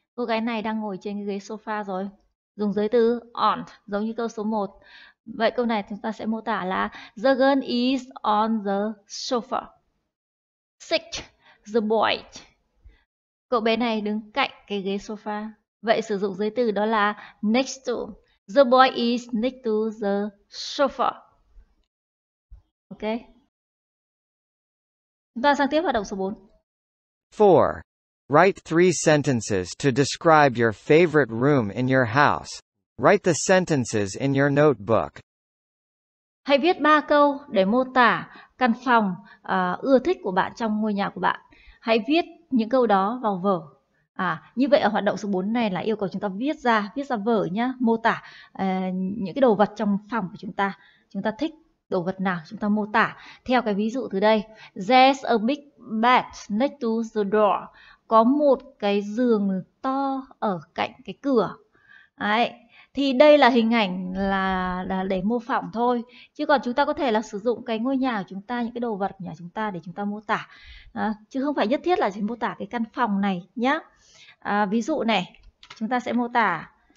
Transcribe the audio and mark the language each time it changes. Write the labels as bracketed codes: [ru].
[vi] Cô gái này đang ngồi trên cái ghế sofa rồi. Dùng giới từ on giống như câu số 1. Vậy câu này chúng ta sẽ mô tả là [en] the girl is on the sofa. 6. The boy. [vi] Cậu bé này đứng cạnh cái ghế sofa. Vậy sử dụng giới từ đó là next to. [en] The boy is next to the sofa. Ok. [vi] Và sang tiếp hoạt động số 4. [en] 4. Write 3 sentences to describe your favorite room in your house. Write the sentences in your notebook. [vi] Hãy viết 3 câu để mô tả căn phòng ưa thích của bạn trong ngôi nhà của bạn. Hãy viết những câu đó vào vở. À, như vậy ở hoạt động số 4 này là yêu cầu chúng ta viết ra vở nhá, mô tả những cái đồ vật trong phòng của chúng ta. Chúng ta thích đồ vật nào, chúng ta mô tả theo cái ví dụ từ đây. [en] There's a big bed next to the door. [vi] Có một cái giường to ở cạnh cái cửa. Đấy. Thì đây là hình ảnh là để mô phỏng thôi. Chứ còn chúng ta có thể là sử dụng cái ngôi nhà của chúng ta, những cái đồ vật của nhà chúng ta để chúng ta mô tả. À, chứ không phải nhất thiết là chỉ mô tả cái căn phòng này nhé. À, ví dụ này, chúng ta sẽ mô tả.